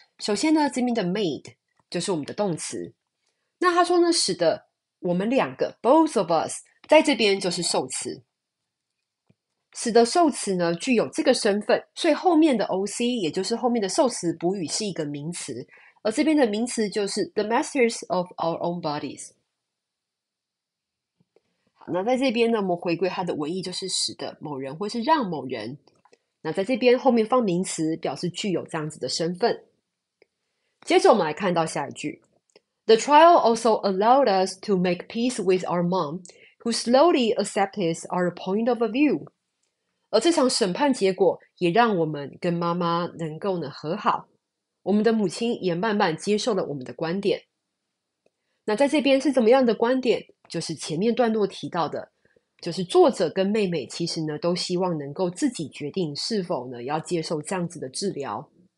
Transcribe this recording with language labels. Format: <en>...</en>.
<zh>首先呢这边的 made 就是我们的动词，那他说呢使得我们两个</zh> <en>both of us</en> <zh>在这边就是受词，使得受词呢具有这个身份，所以后面的 OC 也就是后面的受词补语是一个名词，而这边的名词就是</zh> <en>the masters of our own bodies。</en> <zh>好，那在这边呢我们回归它的文意，就是使得某人或是让某人，那在这边后面放名词表示具有这样子的身份。接着我们来看到下一句，</zh> <en>The trial also allowed us to make peace with our mom who slowly accepted our point of view。</en> <zh>而这场审判结果也让我们跟妈妈能够呢和好，我们的母亲也慢慢接受了我们的观点。那在这边是怎么样的观点？就是前面段落提到的，就是作者跟妹妹其实呢都希望能够自己决定是否呢要接受这样子的治疗。</zh>